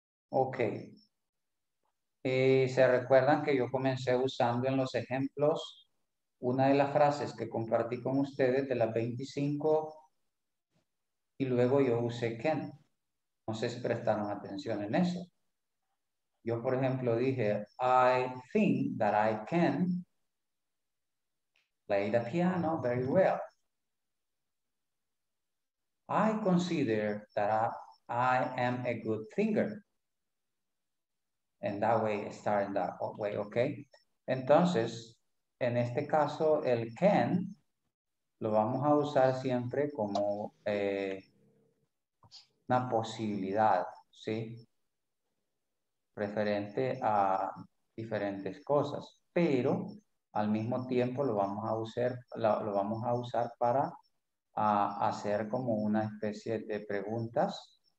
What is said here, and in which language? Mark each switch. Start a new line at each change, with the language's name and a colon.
Spanish: Ok. ¿Se recuerdan que yo comencé usando en los ejemplos una de las frases que compartí con ustedes de las 25 y luego yo usé can? No sé si prestaron atención en eso. Yo, por ejemplo, dije,
English: I think that I can play the piano very well. I consider that I am a good singer. And that way, start in that way, okay?
Spanish: Entonces, en este caso, el can lo vamos a usar siempre como una posibilidad, ¿sí? Referente a diferentes cosas, pero al mismo tiempo lo vamos a usar para hacer como una especie de preguntas.